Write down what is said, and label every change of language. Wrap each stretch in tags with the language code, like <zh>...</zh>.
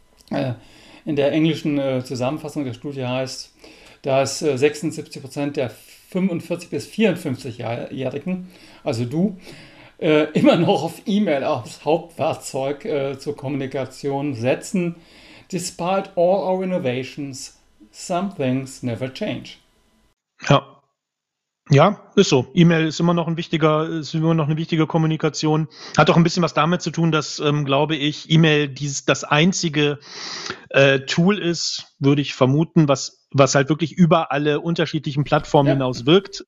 <de>In der englischen Zusammenfassung der Studie heißt, dass 76% der 45- bis 54-Jährigen, also du, immer noch auf E-Mail als Hauptwerkzeug zur Kommunikation setzen.</de> <en>Despite all our innovations, some things never change.</en> <de>Ja, ist so. E-Mail ist immer noch ist immer noch eine wichtige Kommunikation. Hat auch ein bisschen was damit zu tun, dass, glaube ich, E-Mail das einzige Tool ist, würde ich vermuten, was halt wirklich über alle unterschiedlichen Plattformen hinaus wirkt.</de>